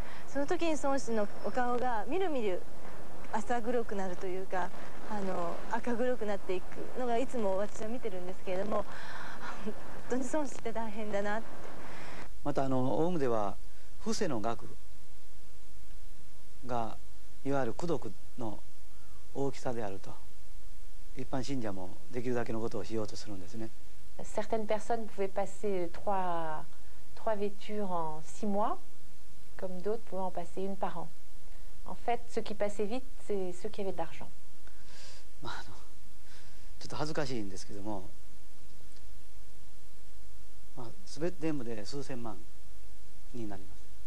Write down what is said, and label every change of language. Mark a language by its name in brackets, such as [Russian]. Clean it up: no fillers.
[Japanese] その時に孫子のお顔がみるみる浅黒くなるというか、あの赤黒くなっていくのがいつも私は見てるんですけれども、本当に孫子って大変だなって。またあのオウムでは布施の額がいわゆる功徳の大きさであると、一般信者もできるだけのことをしようとするんですね。 [French] certaines personnes pouvaient passer trois vêtures en six mois comme d'autres pouvaient en passer une par an. En fait, ceux qui passaient vite, c'est ceux qui avaient de l'argent. [Japanese] まあ、あのちょっと恥ずかしいんですけども、まあ、全部で数千万になります。